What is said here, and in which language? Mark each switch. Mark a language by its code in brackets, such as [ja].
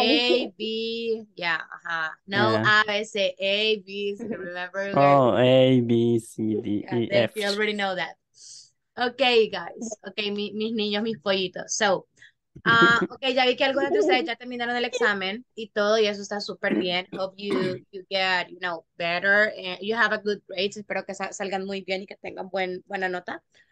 [en] A, B, yeah, ajá. No, yeah. A, B, C, A, B, C, remember, guys? Oh, A, B, C, D, Yeah, E, F. they already know that. Okay, guys. Okay, [es] mis niños, mis pollitos. So, okay, ya vi que algunos de ustedes ya terminaron el examen y todo, y eso está súper bien. [en] Hope you get, better and you have a good grade. [es] Espero que salgan muy bien y que tengan buena nota.